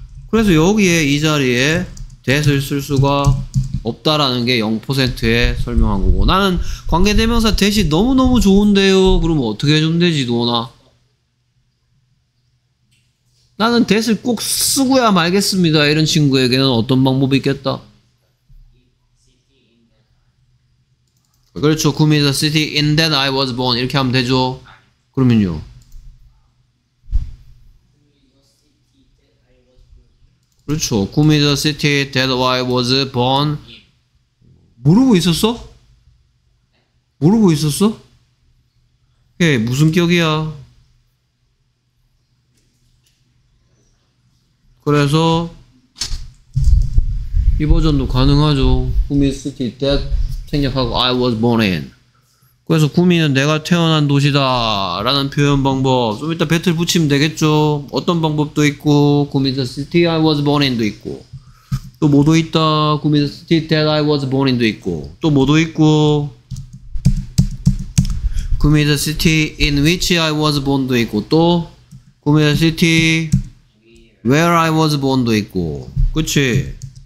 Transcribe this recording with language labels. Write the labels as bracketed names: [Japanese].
[Korean] 그래서 여기에 이 자리에 that을 쓸 수가 없다라는 게 0%에 설명한 거고. 나는 관계 대명사 that이 너무너무 좋은데요. 그러면 어떻게 해주면 되지, 도나? 나는 that을 꼭 쓰고야 말겠습니다. 이런 친구에게는 어떤 방법이 있겠다? 그렇죠. [English] Come to the city in that I was born. [Korean] 이렇게 하면 되죠. 그러면요. 그렇죠. [English] Come to the city that I was born. [Korean] 모르고 있었어? 모르고 있었어? 예, 무슨 격이야? 그래서 이 버전도 가능하죠. [English] Come to the city that [Korean] 생략하고 [English] I was born in. [Korean] 그래서 구미는 내가 태어난 도시다 라는 표현 방법 좀 이따 배틀 붙이면 되겠죠. 어떤 방법도 있고 구미 [English] the city I was born in [Korean] 도 있고 또 뭐도 있다. 구미 [English] the city that I was born in [Korean] 도 있고 또 뭐도 있고 구미 [English] the city in which I was born [Korean] 도 있고 또 구미 [English] the city where I was born [Korean] 도 있고. 그치?